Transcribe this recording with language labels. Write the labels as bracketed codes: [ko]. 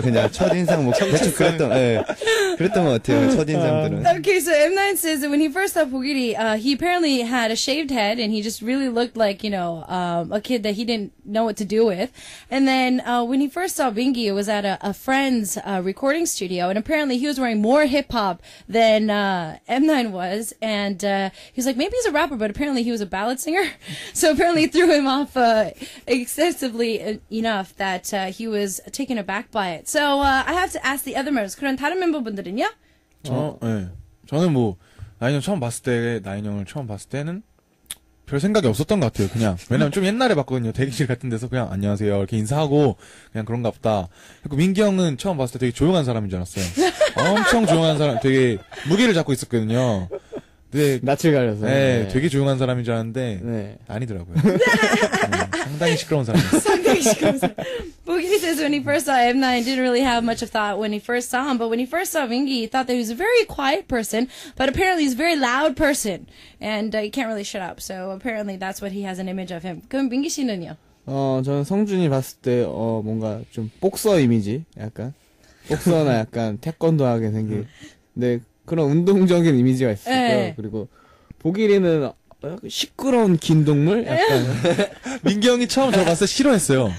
[ko] 그냥 첫 인상 뭐 대충 그랬던 예 네. 그랬던 것 같아요. 첫 인상들은. [en] Okay, so M9 says when he first saw Bogiri, he apparently had a shaved head and he just really looked like you know a kid that he didn't know what to do with. And then when he first saw Bingy, it was at a friend's recording studio and apparently he was wearing more hip hop than M9 was. And he was like maybe he's a rapper, but apparently he was a ballad singer. So apparently it threw him off excessively. Enough that he was taken aback by it. So I have to ask the other members. [ko] 그런 다른 멤버분들은요? 저는 뭐 나인형 처음 봤을 때 나인형을 처음 봤을 때는 별 생각이 없었던 것 같아요. 그냥 왜냐면 좀 옛날에 봤거든요. 대기실 같은 데서 그냥 안녕하세요 이렇게 인사하고 그냥 그런가 보다. 그리고 민기 형은 처음 봤을 때 되게 조용한 사람인 줄 알았어요. 엄청 조용한 사람, 되게 무게를 잡고 있었거든요. 네, 낯을 가려서. 네, 네, 되게 조용한 사람인 줄 알았는데 네. 아니더라고요. 상당히 시끄러운 사람이었어요. [en] Boogie says when he first saw M9, didn't really have much of thought when he first saw him. But when he first saw Mingi, he thought that he was a very quiet person. But apparently, he's a very loud person, and he can't really shut up. So apparently, that's what he has an image of him. [ko] 그럼 민기 씨는요? 저는 성준이 봤을 때 뭔가 좀 복서 이미지, 약간 복서나 약간 태권도하게 생긴 네, 그런 운동적인 이미지가 있을 거예요. 그리고 보길이는 시끄러운 긴 동물? 약간. 민기 형이 처음 저 봤을 때 싫어했어요.